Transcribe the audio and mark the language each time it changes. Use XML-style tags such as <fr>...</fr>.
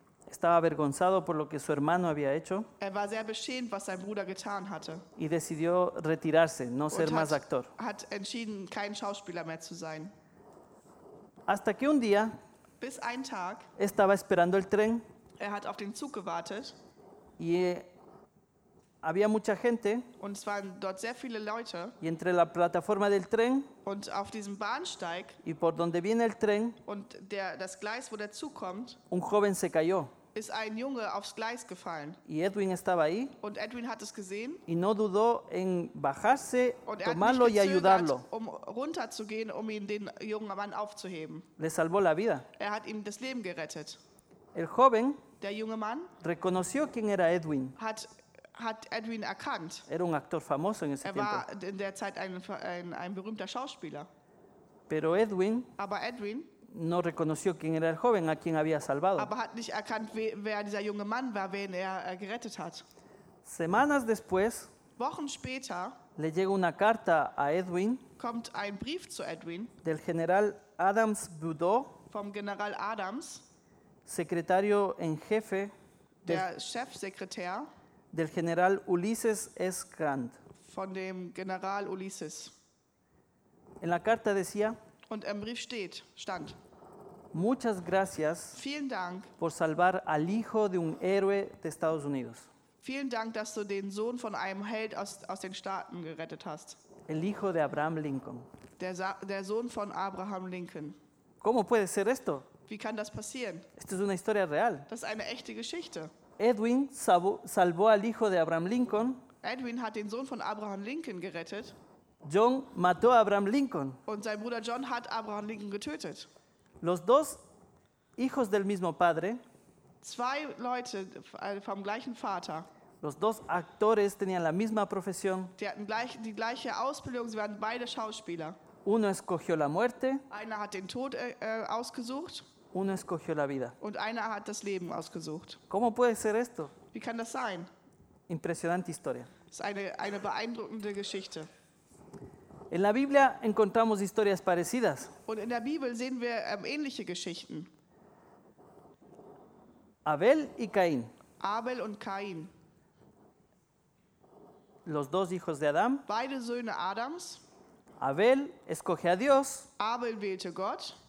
<es>Estaba avergonzado por lo que su hermano había hecho.</es> <de>Er war sehr beschämt, was sein Bruder getan hatte.</de> <es>Y decidió retirarse, no ser más actor.</es> <de>Hat entschieden, kein Schauspieler mehr zu sein.</de> <es>Hasta que un día.</es> <de>Bis ein Tag.</de> <es>Estaba esperando el tren.</es> <de>Er hat auf den Zug gewartet.</de> <es>Y había mucha gente.</es> <de>Und es waren dort sehr viele Leute.</de> <es>Y entre la plataforma del tren.</es> <de>Und auf diesem Bahnsteig.</de> <es>Y por donde viene el tren.</es> <de>Und das Gleis, wo der Zug kommt.</de> <es>Un joven se cayó.</es> <de>Ist ein Junge aufs Gleis gefallen.</de> <es>Y Edwin estaba ahí.</es> <de>Und Edwin hat es gesehen.</de> <es>Y no dudó en bajarse, tomarlo y ayudarlo.</es> <de>Um runterzugehen, um ihn den jungen Mann aufzuheben.</de> <es>Le salvó la vida.</es> <de>Er hat ihm das Leben gerettet.</de> <es>El joven.</es> <de>Der junge Mann.</de> <es>Reconoció quién era Edwin.</es> <de>Hat Edwin erkannt.</de> <es>Era un actor famoso en ese tiempo.</es> <de>Er war in der Zeit ein berühmter Schauspieler.</de> <es>Pero Edwin.</es> <de>Aber Edwin.</de> <es>No reconoció quién era el joven a quien había salvado.</es> <de>Aber hat nicht erkannt, wer dieser junge Mann war, wen er gerettet hat.</de> <es>Semanas después.</es> <de>Wochen später.</de> <es>Le llega una carta a Edwin.</es> <de>Kommt ein Brief zu Edwin.</de> <es>Del General Adams Boudot.</es> <de>Vom General Adams.</de> <es>Secretario en jefe.</es> <de>Der Chefsekretär.</de> <es>Del General Ulysses S. Grant.</es> <de>Von dem General Ulysses.</de> <es>En la carta decía,</es> <de>und im Brief steht, stand,</de> <es>muchas gracias,</es> <de>vielen Dank,</de> <es>por salvar al hijo de un héroe de Estados Unidos.</es> <de>Vielen Dank, dass du den Sohn von einem Held aus den Staaten gerettet hast.</de> <es>El hijo de Abraham Lincoln.</es> <de>Der Sohn von Abraham Lincoln.</de> <es>¿Cómo puede ser esto?</es> <de>Wie kann das passieren?</de> <es>Esto es una historia real.</es> <de>Das ist eine echte Geschichte.</de> <es>Edwin salvó al hijo de Abraham Lincoln.</es> <de>Edwin hat den Sohn von Abraham Lincoln gerettet.</de> <es>John mató a Abraham Lincoln.</es> <de>Und sein Bruder John hat Abraham Lincoln getötet.</de> <es>Los dos hijos del mismo padre.</es> <de>Zwei Leute vom gleichen Vater.</de> <es>Los dos actores tenían la misma profesión.</es> <de>Die hatten die gleiche Ausbildung, sie waren beide Schauspieler.</de> <es>Uno escogió la muerte.</es> <de>Einer hat den Tod ausgesucht.</de> <es>Uno escogió la vida.</es> <de>Und einer hat das Leben ausgesucht.</de> <es>¿Cómo puede ser esto?</es> <de>Wie kann das sein?</de> <es>Impresionante historia.</es> <de>Es ist eine beeindruckende Geschichte.</de> <es>En la Biblia encontramos historias parecidas.</es> <de>Und in der Bibel sehen wir ähnliche Geschichten.</de> <es>Abel y Caín.</es> <de>Abel und Caín.</de> <es>Los dos hijos de Adán.</es> <de>Beide Söhne Adams.</de> <es>Abel escoge a Dios.</es> <de>Abel wählte Gott.</de>